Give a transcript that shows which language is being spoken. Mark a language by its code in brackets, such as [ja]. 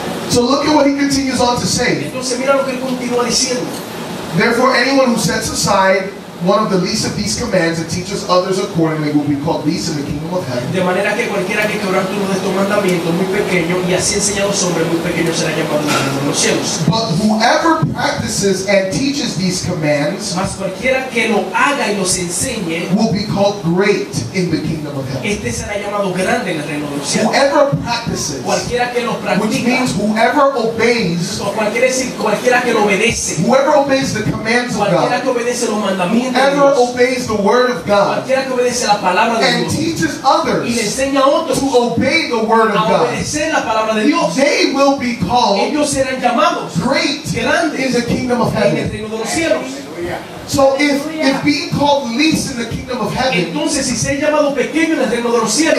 [en] So look at what he continues on to say. [es] Entonces mira lo que él continúa diciendo. [en] Therefore, anyone who sets aside one of the least of these commands and teaches others accordingly will be called least in the kingdom of heaven. [es] De manera que cualquiera que quebrante uno de estos mandamientos muy pequeño y así enseña a los hombres muy pequeño será llamado en el reino de los cielos. [en] But whoever practices and teaches these commands, [es] mas cualquiera que lo haga y los enseñe, [en] will be called great in the kingdom of heaven. [es] Este será llamado grande en el reino de los cielos. [en] Whoever practices, [es] cualquiera que lo practica, [en] which means whoever obeys, [es] o cualquiera, decir, cualquiera que lo obedece, [en] whoever obeys the commands of God, [es] que obedece los mandamientos. [en] Whoever obeys the word of God [es] que obedece la palabra de [en] and teaches others [es] y le enseña a otros [en] to obey the word of God, [es] la palabra de Dios, [en] they will be called [es] ellos serán llamados [en] great [es] grandes [en] in the kingdom of heaven. [es] En el reino de los cielos. [en] So if being called least in the kingdom of heaven, [es] entonces, si ser llamado pequeño en el reino de los cielos,